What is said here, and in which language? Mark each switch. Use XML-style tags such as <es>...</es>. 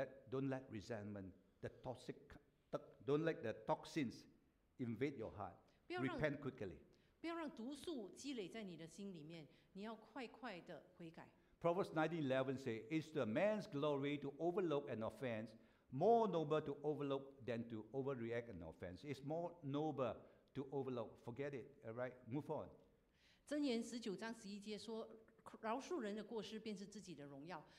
<en>Don't let resentment, the toxins invade your heart. Repent quickly.</en> <zh>不要让毒素积累在你的心里面，你要快快的悔改。</zh> <en>Proverbs 19:11 say, "It's the man's glory to overlook an offense, more noble to overlook than to overreact an offense." It's more noble. To overlook, forget it. All right, move on.</en> <zh>箴言十九章十一节说，饶恕人的过失便是自己的荣耀。</zh>